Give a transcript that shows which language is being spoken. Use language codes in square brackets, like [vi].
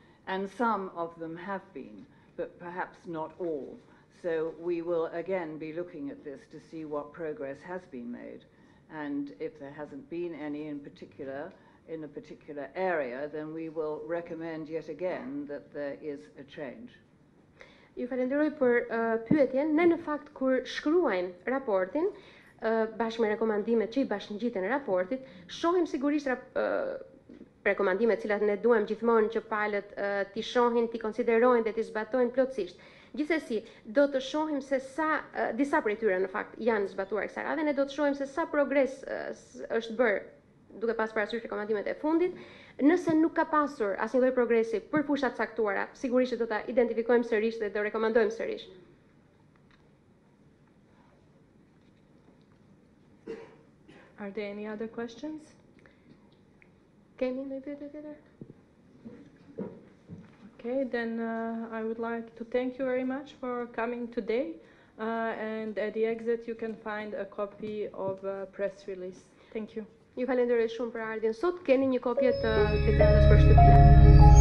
[en] And some of them have been, but perhaps not all. So we will again be looking at this to see what progress has been made. And if there hasn't been any in a particular area, then we will recommend yet again that there is a change. [sq] Ju falenderoj për pyetjen. Ne në fakt kur shkruajmë raportin, bashkë me rekomandimet që i bashkëngjiten raportit, shohim sigurisht rekomandimet cilat ne duam gjithmonë që palët t'i shohin, t'i konsiderojnë dhe t'i zbatojnë plotësisht. Gjithsesi, do të shohim se sa disa prej tyre në fakt janë zbatuar kësaj radhe, ne do të shohim se sa progres është bërë duke pas parasysh rekomandimet e fundit. Nëse nuk ka pasur asnjë lloj progresi për fushat caktuara, sigurisht do ta identifikojmë sërish dhe do rekomandojmë sërish. [en] Are there any other questions? [sq] Kemi një pyetje tjetër? [en] Okay, then I would like to thank you very much for coming today. And at the exit you can find a copy of a press release. Thank you. [sq] Ju falenderoj shumë për ardhjen sot. Keni një kopje të deklaratës për shtëpi.